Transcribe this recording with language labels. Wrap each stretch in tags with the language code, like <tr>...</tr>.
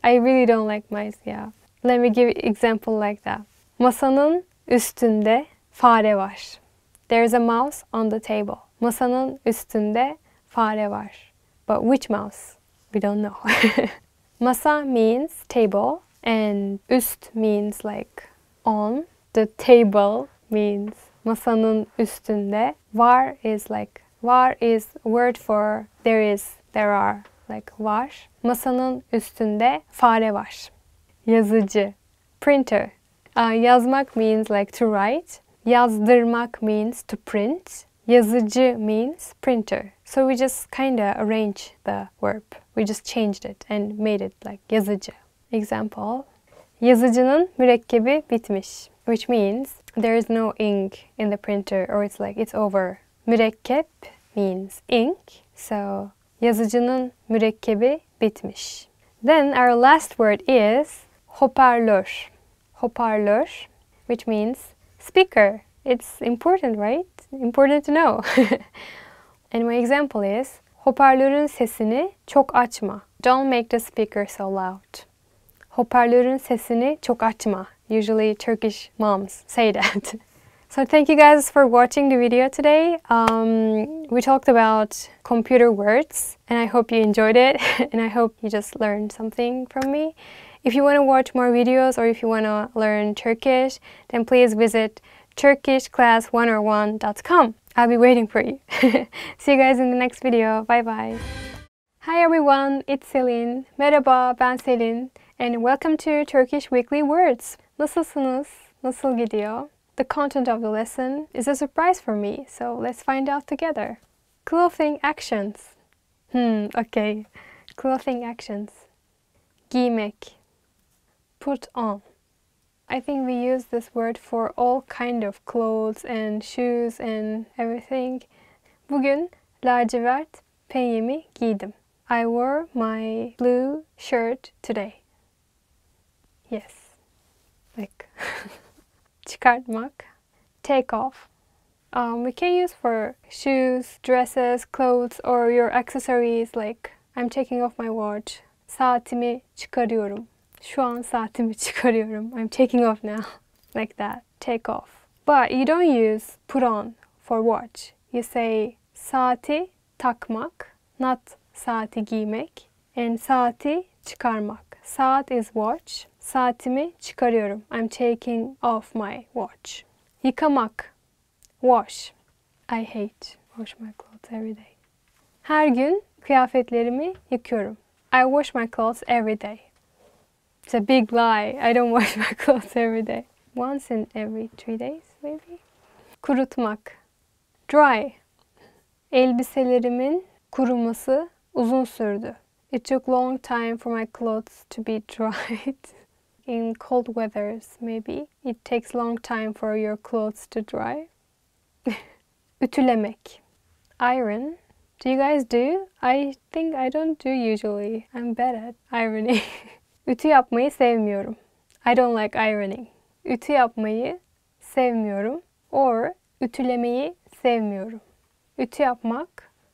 <en>I really don't like mice. Yeah. Let me give you an example like that.</en> <tr>Masanın üstünde fare var.</tr> <en>There's a mouse on the table.</en> <tr>Masanın üstünde fare var.</tr> <en>But which mouse? We don't know. Masa means table, and üst means on. The table means masanın üstünde. Var is var is word for there is, there are, var.</en> <tr>Masanın üstünde fare var.</tr> <en>Yazıcı, printer. Yazmak means to write. Yazdırmak means to print. Yazıcı means printer. So we just kind of arrange the verb. We just changed it and made it yazıcı. Example.</en> <tr>Yazıcının mürekkebi bitmiş.</tr> <en>Which means there is no ink in the printer or it's over. Mürekkep means ink.</en> <tr>So yazıcının mürekkebi bitmiş.</tr> <en>Then our last word is hoparlör. Hoparlör, which means speaker. It's important, right? Important to know. And my example is</en> <tr>hoparlörün sesini çok açma.</tr> <en>Don't make the speaker so loud.</en> <tr>Hoparlörün sesini çok açma.</tr> <en>Usually Turkish moms say that. So thank you guys for watching the video today. We talked about computer words and I hope you enjoyed it. And I hope you just learned something from me. If you want to watch more videos or if you want to learn Turkish, then please visit TurkishClass101.com. I'll be waiting for you. See you guys in the next video. Bye bye. Hi everyone, it's Selin.</en> <tr>Merhaba, ben Selin.</tr> <en>And welcome to Turkish Weekly Words.</en> <tr>Nasılsınız? Nasıl gidiyor?</tr> <en>The content of the lesson is a surprise for me, so let's find out together. Clothing actions. Okay. Clothing actions. Giymek. Put on. I think we use this word for all kind of clothes and shoes and everything.</en> <tr>Bugün lacivert peyimi giydim.</tr> <en>I wore my blue shirt today. Yes. Çıkartmak. Take off. We can use for shoes, dresses, clothes or your accessories. I'm taking off my watch.</en> <tr>Saatimi çıkarıyorum. Şu an saatimi çıkarıyorum.</tr> <en>I'm taking off now. Like that. Take off. But you don't use put on for watch. You say</en> <tr>saati takmak,</tr> <en>not</en> <tr>saati giymek.</tr> <en>And saati çıkarmak. Saat is watch.</en> <tr>Saatimi çıkarıyorum.</tr> <en>I'm taking off my watch. Yıkamak. Wash. I hate wash my clothes every day.</en> <tr>Her gün kıyafetlerimi yıkıyorum.</tr> <en>I wash my clothes every day. It's a big lie. I don't wash my clothes every day. Once in every 3 days, maybe? Kurutmak. Dry.</en> <tr>Elbiselerimin kuruması uzun sürdü.</tr> <en>It took long time for my clothes to be dried. In cold weathers, maybe. It takes long time for your clothes to dry. Ütülemek. Iron. Do you guys do? I think I don't do usually. I'm bad at ironing.</en> <tr>Ütü yapmayı sevmiyorum.</tr> <en>I don't like ironing.</en> <tr>Ütü yapmayı sevmiyorum. Or ütülemeyi sevmiyorum. Ütü yapmak</tr>